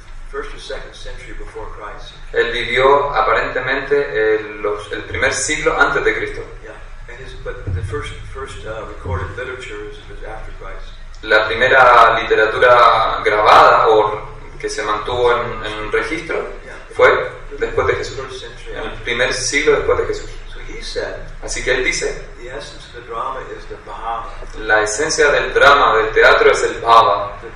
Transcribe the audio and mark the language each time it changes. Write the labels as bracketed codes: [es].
[en] First or second century before Christ. [es] Él vivió aparentemente el primer siglo antes de Cristo. [en] Yeah. But the first recorded literature was after Christ. [es] La primera literatura grabada o que se mantuvo en registro fue después de Jesús. [en] First century. [es] En el primer siglo después de Jesús. [en] So he said, [es] así que él dice, [en] the essence of the drama is the Bhava. [es] La esencia del drama, del teatro, es el Bhava.